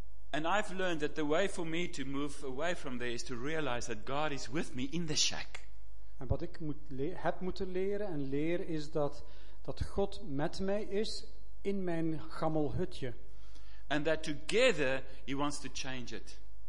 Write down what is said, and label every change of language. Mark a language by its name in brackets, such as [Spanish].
[English] And I've learned that the way for me to move away from there is to realize that God is with me in the shack. [Dutch] En wat ik heb moeten leren en leer is dat God met mij is in mijn gammelhutje. [English] And that together he wants to change it.